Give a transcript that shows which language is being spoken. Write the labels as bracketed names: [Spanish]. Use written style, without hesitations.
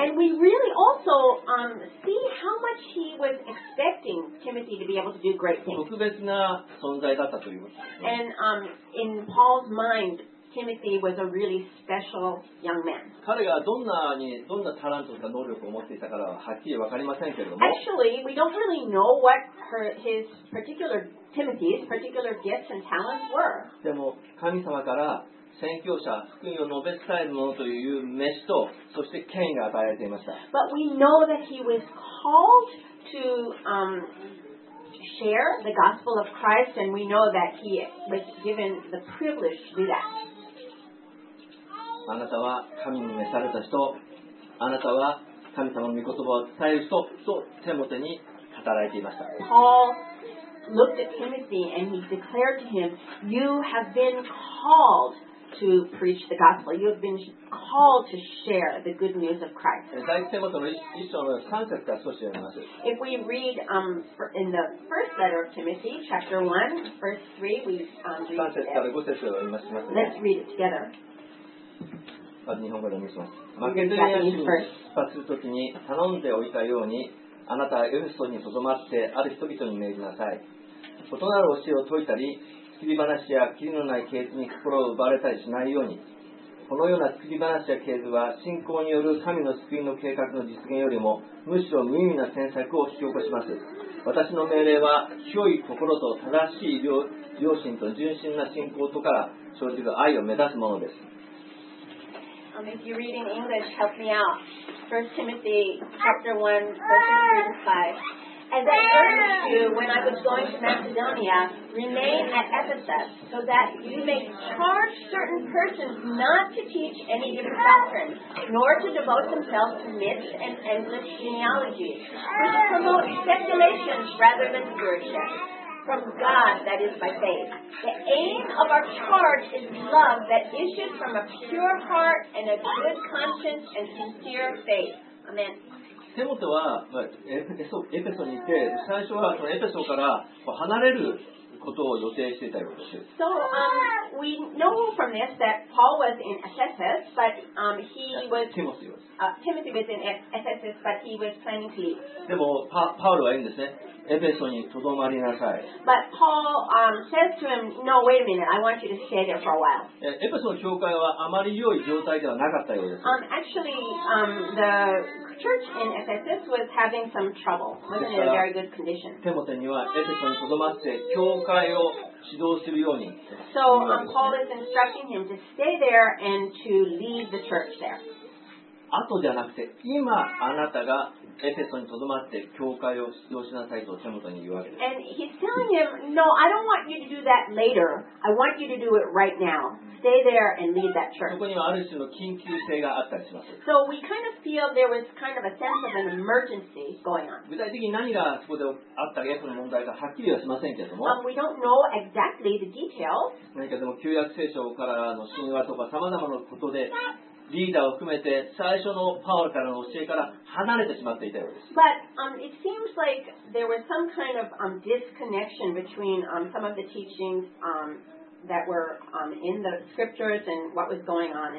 [English] And we really also see how much he was expecting Timothy to be able to do great things. [Japanese] 特別な存在だったということです、ね。 [English] And in Paul's mind,Timothy was a really special young man. [Japanese] 彼がどんなタラントか能力を持っていたからははっきり分かりませんけれども。 [English] Actually, we don't really know what his particular Timothy's particular gifts and talents were. [Japanese] でも神様から宣教者、福音を述べ伝えるものという召しと、そして権威が与えられていました。 [English] But we know that he was called to share the gospel of Christ, and we know that he was given the privilege to do that. [Japanese] あなたは神に召された人、あなたは神様の御言葉を伝える人とテモテに語られていました。 [English] Paul looked at Timothy and he declared to him, "You have been called to preach the gospel. You have been called to share the good news of Christ." [Japanese] 第一テモテの一章の三節から少し読みます。 [English] If we read in the first letter of Timothy, chapter 1, verse 3, we read it. [Japanese] 三節から五節を読みます。 [English] Let's read it together. [Japanese] まず日本語でお願いします。マケドニアに出発するときに頼んでおいたように、あなたはエフェソにとどまってある人々に命じなさい。異なる教えを説いたり、作り話や切りのない系図に心を奪われたりしないように。このような作り話や系図は信仰による神の救いの計画の実現よりもむしろ無意味な詮索を引き起こします。私の命令は清い心と正しい良心と純真な信仰とから生じる愛を目指すものです。 [English] If you read in English, help me out. 1 Timothy chapter 1, verses 3 to 5. As I urged you when I was going to Macedonia, remain at Ephesus, so that you may charge certain persons not to teach any different doctrine, nor to devote themselves to myths and endless genealogies, but to promote speculations rather than stewardship. From God that is by faith. The aim of our charge is love that issues from a pure heart and a good conscience and sincere faith. Amen. [Japanese] テモテは、まあ、エペソにいて、最初はそのエペソから離れることを予定していたようです。 [English] So, we know from this that Paul was in Ephesus, but he was... Timothy was in Ephesus, but he was planning to leave. [Japanese] でも、パウロは言うんですね。エペソにとどまりなさい。 [English] But Paul says to him, no, wait a minute, I want you to stay there for a while. [Japanese] エペソの教会はあまり良い状態ではなかったようです。 [English] Actually, the church inEphesus was having some trouble. Wasn't in a very good condition. [Japanese] テモテにはエペソにとどまって教会を指導するように。 [English] So Paul is instructing him to stay there and to lead the church there. [Japanese] 後じゃなくて今あなたがエペソにとどまって教会を指導しなさいとテモテに言うわけです。 [English] And he's telling him, no, I don't want you to do that later. I want you to do it right now. Stay there and lead that church. [Japanese] そこにはある種の緊急性があったりします。 [English] So we kind of feel there was kind of a sense of an emergency going on. [Japanese] 具体的に何がそこであったかその問題がはっきりはしませんけれども。 [English] We don't know exactly the details. [Japanese] 何かでも旧約聖書からの神話とか様々なことでリーダーを含めて最初のパウロからの教えから離れてしまっていたようです。 [English] But it seems like there was some kind of disconnection between some of the teachings. That were in the scriptures and what was going on.